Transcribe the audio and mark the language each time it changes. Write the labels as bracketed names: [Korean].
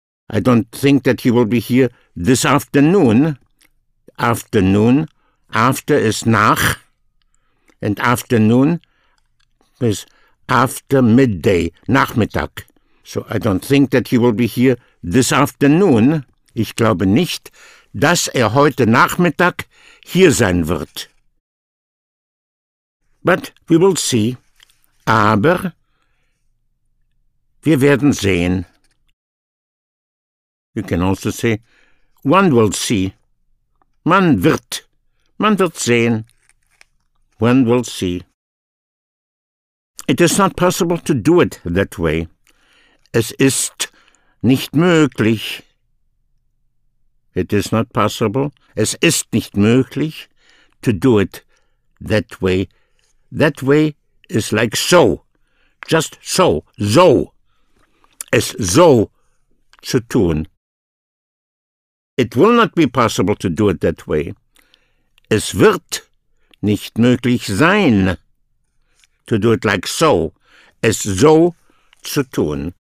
[English] I don't think that he will be here this afternoon. Afternoon, after is nach, and afternoon is after midday, Nachmittag. So I don't think that he will be here this afternoon. [German] Ich glaube nicht, dass er heute Nachmittag hier sein wird. [English] But we will see. [German] Aber wir werden sehen. [English] You can also say, one will see. [German] Man wird sehen. [English] One will see. It is not possible to do it that way. [German] Es ist nicht möglich. [English] It is not possible. [German] Es ist nicht möglich [English] to do it that way. That way is like so, just so, so, [German] es so zu tun. [English] It will not be possible to do it that way. [German] Es wird nicht möglich sein, [English] to do it like so, [German] es so zu tun.